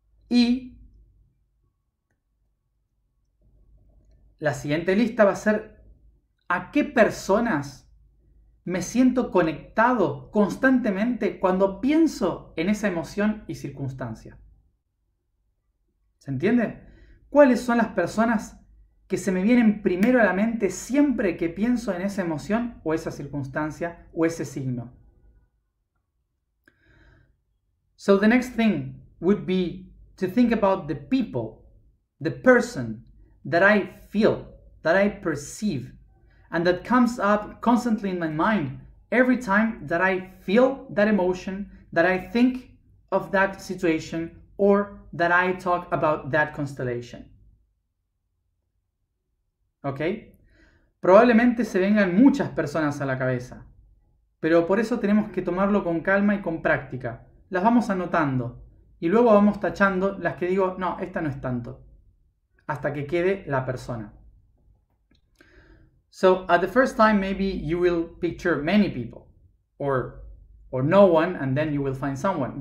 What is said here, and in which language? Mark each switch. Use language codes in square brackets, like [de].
[es] Y la siguiente lista va a ser a qué personas me siento conectado constantemente cuando pienso en esa emoción y circunstancia. ¿Se entiende? ¿Cuáles son las personas que se me vienen primero a la mente siempre que pienso en esa emoción o esa circunstancia o ese signo? [en] So the next thing would be to think about the people, the person that I feel, that I perceive, and that comes up constantly in my mind every time that I feel that emotion, that I think of that situation, or that I talk about that constellation. [es] ¿Ok? Probablemente se vengan muchas personas a la cabeza, pero por eso tenemos que tomarlo con calma y con práctica. Las vamos anotando y luego vamos tachando las que digo, no, esta no es tanto, hasta que quede la persona. [en] So at the first time, maybe you will picture many people or no one, and then you will find someone.